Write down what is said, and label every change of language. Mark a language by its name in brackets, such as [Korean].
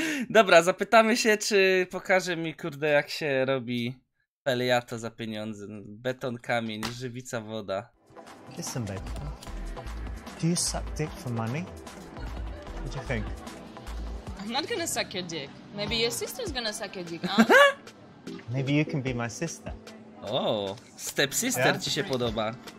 [Polish] Dobra, zapytamy się, czy pokaże mi, kurde, jak się robi peliato za pieniądze. Beton, kamień, żywica, woda. [English] Listen, babe. Do you suck dick for money? What do you think? I'm not gonna suck your dick. Maybe your sister's gonna suck your dick, huh? Maybe you can be my sister. Oh, stepsister, yeah? [Polish] Ci się podoba.